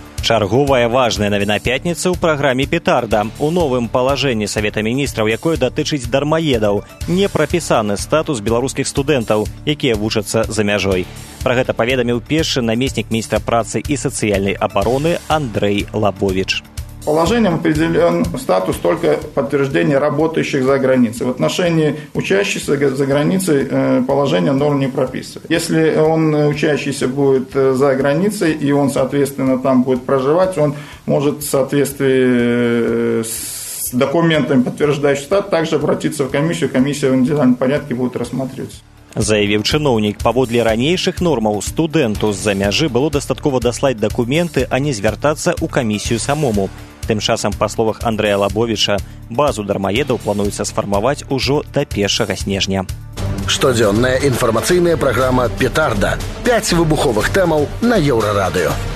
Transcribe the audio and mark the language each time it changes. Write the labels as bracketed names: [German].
[Belarusian] Чарговая важная навіна пятніцы ў праграме «Петарда». У новым палажэнні Савета міністраў, якое датычыць дармаедаў, не прапісаны статус беларускіх студэнтаў, якія вучацца за мяжой. Пра гэта паведаміў першы намеснік міністра працы і сацыяльнай абароны Андрэй Лабовіч. [Russian] Положением определен статус только подтверждения работающих за границей. В отношении учащихся за границей положение норм не прописывает. Если он учащийся будет за границей и он, соответственно, там будет проживать, он может в соответствии с документами, подтверждающими статус, также обратиться в комиссию. Комиссия в индивидуальном порядке будет рассматривать. [Belarusian] Заявіў чыноўнік, паводле ранейшых нормаў студэнту з-за мяжы было дастаткова даслаць дакументы, а не звяртацца ў камісію самому. Тым часам, па словах Андрэя Лабовіча, базу дармаедаў плануецца сфармаваць ужо да 1 снежня. Штодзённая інфармацыйная праграма «Петарда». 5 выбуховых тэмаў на Еўрарадыё.